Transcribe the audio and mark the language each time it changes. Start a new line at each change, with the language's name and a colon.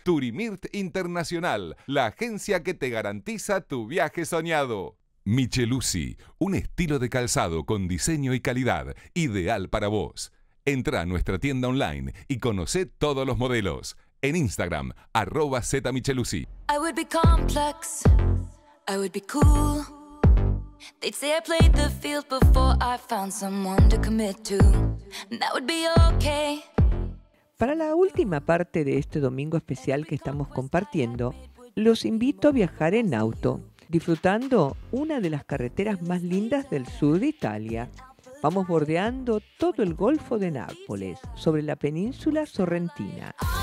Spanish: Turimirt Internacional, la agencia que te garantiza tu viaje soñado. Michelucci, un estilo de calzado con diseño y calidad, ideal para vos. Entra a nuestra tienda online y conoce todos los modelos. En Instagram, @zmichelucci.
English: I would be complex, I would be cool. They'd say I played the field before I found someone to commit to. That would be okay.
Spanish: Para la última parte de este domingo especial que estamos compartiendo, los invito a viajar en auto, disfrutando una de las carreteras más lindas del sur de Italia. Vamos bordeando todo el Golfo de Nápoles, sobre la península sorrentina.